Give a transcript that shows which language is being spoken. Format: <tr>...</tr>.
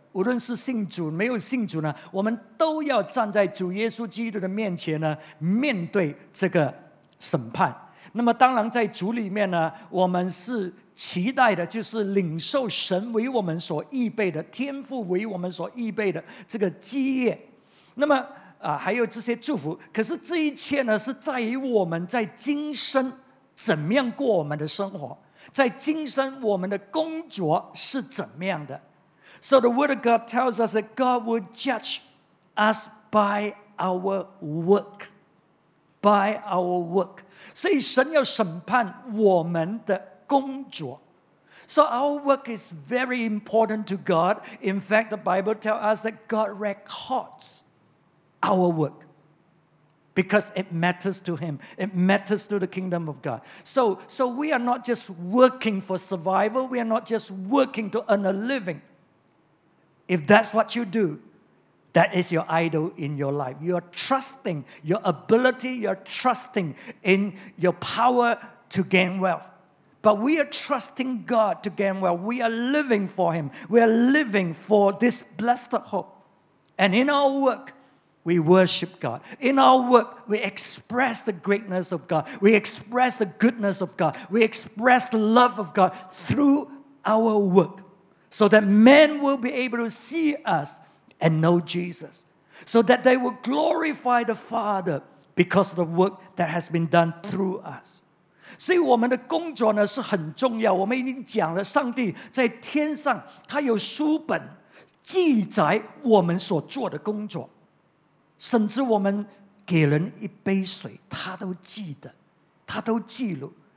<zh>无论是信主没有信主呢，我们都要站在主耶稣基督的面前呢，面对这个审判。那么当然在主里面呢，我们是期待的，就是领受神为我们所预备的天父为我们所预备的这个基业。那么还有这些祝福，可是这一切呢，是在于我们在今生怎么样过我们的生活，在今生我们的工作是怎么样的。</zh> <en>So the Word of God tells us that God will judge us by our work. By our work.</en> <zh>所以神要审判我们的工作。</zh> <en>So our work is very important to God. In fact, the Bible tells us that God records our work because it matters to Him. It matters to the kingdom of God. So we are not just working for survival. We are not just working to earn a living. If that's what you do, that is your idol in your life. You are trusting your ability, you are trusting in your power to gain wealth. But we are trusting God to gain wealth. We are living for Him. We are living for this blessed hope. And in our work, we worship God. In our work, we express the greatness of God. We express the goodness of God. We express the love of God through our work. So that men will be able to see us and know Jesus. So that they will glorify the Father because of the work that has been done through us.</en> <zh>所以我们的工作呢是很重要。我们已经讲了，上帝在天上，他有书本记载我们所做的工作，甚至我们给人一杯水，他都记得，他都记录。</zh>